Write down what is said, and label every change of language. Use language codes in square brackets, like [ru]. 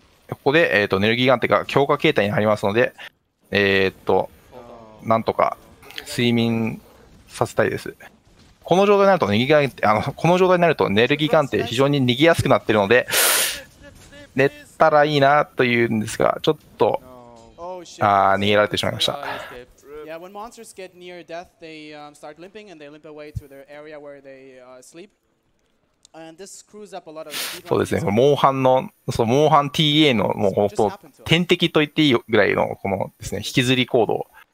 [ja] ここで、エネルギーガンテが強化形態に入りますので、なんとか睡眠させたいです。この状態になると、この状態になると、エネルギーガンテ非常に逃げやすくなっているので、寝たらいいなというんですが、ちょっと、逃げられてしまいました。 [en] Yeah, when monsters get near death, they start limping and they limp away to their area where they sleep. And this screws up a lot of speedrunners. [ja] そうですね。モンハンの、そう、モンハン TA のもう本当天敵と言っていいぐらいのこのですね、引きずり行動。